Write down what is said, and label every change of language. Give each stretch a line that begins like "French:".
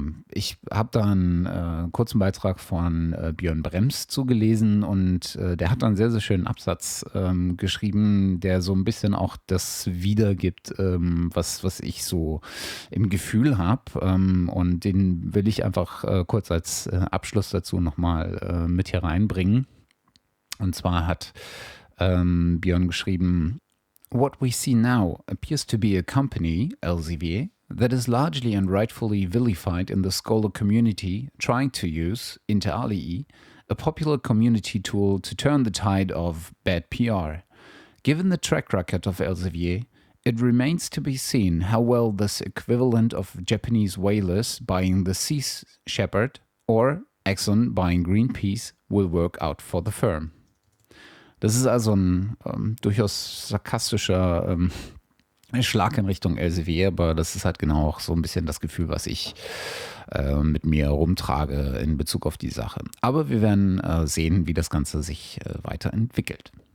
German: Ich habe da einen kurzen Beitrag von Björn Brems zugelesen und der hat einen sehr, sehr schönen Absatz geschrieben, der so ein bisschen auch das wiedergibt, was ich so im Gefühl habe. Und den will ich einfach kurz als Abschluss dazu nochmal mit hier reinbringen. Und zwar hat Björn geschrieben,
English: "What we see now appears to be a company, Elsevier, that is largely and rightfully vilified in the scholar community trying to use, inter alii, a popular community tool to turn the tide of bad PR. Given the track record of Elsevier, it remains to be seen how well this equivalent of Japanese whalers buying the Sea Shepherd or Exxon buying Greenpeace will work out for the firm."
German: Das ist also ein durchaus sarkastischer Schlag in Richtung Elsevier, aber das ist halt genau auch so ein bisschen das Gefühl, was ich mit mir rumtrage in Bezug auf die Sache. Aber wir werden sehen, wie das Ganze sich weiterentwickelt.